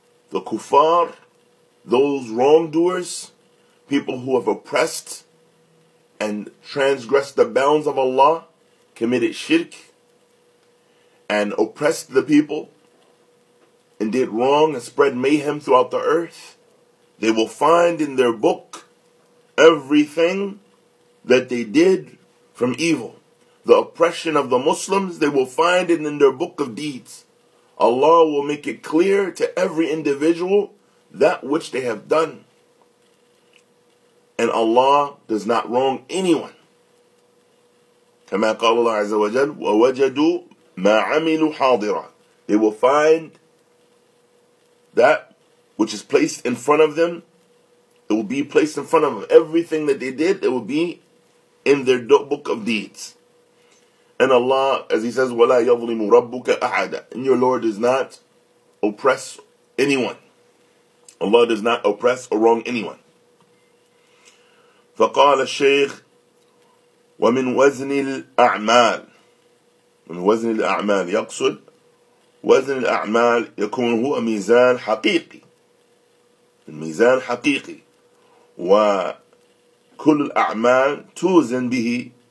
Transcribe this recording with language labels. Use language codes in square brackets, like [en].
[en] The kuffar, those wrongdoers, people who have oppressed and transgressed the bounds of Allah, committed shirk, and oppressed the people, and did wrong and spread mayhem throughout the earth, they will find in their book everything that they did from evil. The oppression of the Muslims, they will find it in their book of deeds. Allah will make it clear to every individual that which they have done. And Allah does not wrong anyone. [ar] كما قال الله عز وجل ووجدوا ما عملوا حاضرا. [en] They will find that which is placed in front of them. It will be placed in front of them. Everything that they did, it will be in their book of deeds. And Allah, as He says, [ar] وَلَا يَظْلِمُ رَبُّكَ أَحَدًا. [en] And your Lord does not oppress anyone. Allah does not oppress or wrong anyone. [ar] فقال الشيخ ومن وزن الأعمال. من وزن الأعمال يقصد وزن الأعمال يكون هو ميزان حقيقي. الميزان حقيقي. وكل الأعمال توزن به.